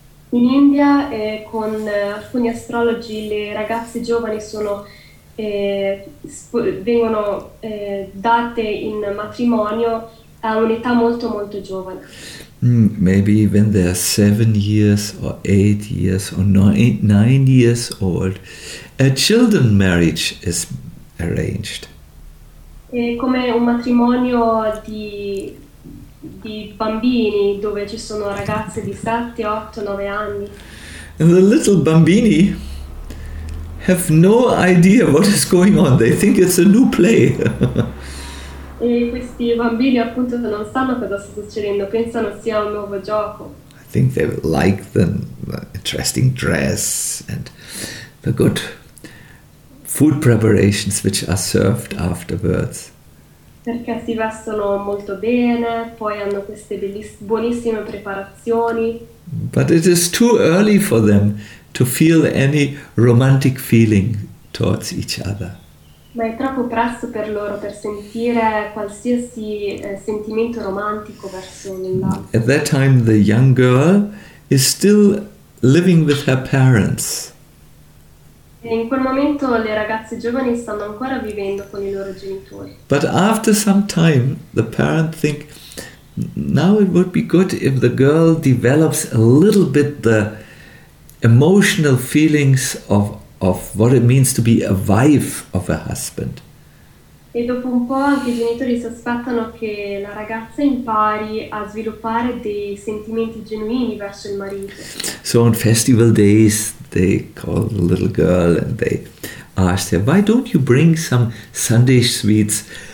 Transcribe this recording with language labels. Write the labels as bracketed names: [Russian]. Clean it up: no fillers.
[Italian] In India, con alcuni astrologi, le ragazze giovani vengono date in matrimonio a un'età molto molto giovane. [English] Maybe when they are 7 years or 8 years or 9 years old, a children marriage is arranged. [Italian] E come un matrimonio di bambini, dove ci sono ragazze di 7, 8, 9 anni. [English] And the little bambini have no idea what is going on. They think it's a new play. [Italian] E questi bambini appunto non sanno cosa sta succedendo, pensano sia un nuovo gioco. [English] I think they like the interesting dress and the good food preparations which are served afterwards. [Italian] Perché si vestono molto bene, poi hanno queste buonissime preparazioni. [English] But it is too early for them to feel any romantic feeling towards each other. [Italian] Ma è troppo presto per loro per sentire qualsiasi sentimento romantico verso l'altro. [English] At that time the young girl is still living with her parents. [Italian] In quel momento le ragazze giovani stanno ancora vivendo con i loro genitori. [English] But after some time, the parents think, now it would be good if the girl develops a little bit the emotional feelings of what it means to be a wife of a husband. [Italian] E dopo un po' anche i genitori si aspettano che la ragazza impari a sviluppare dei sentimenti genuini verso il marito. [English] So on festival days they call the little girl and they ask her, why don't you bring some Sunday sweets?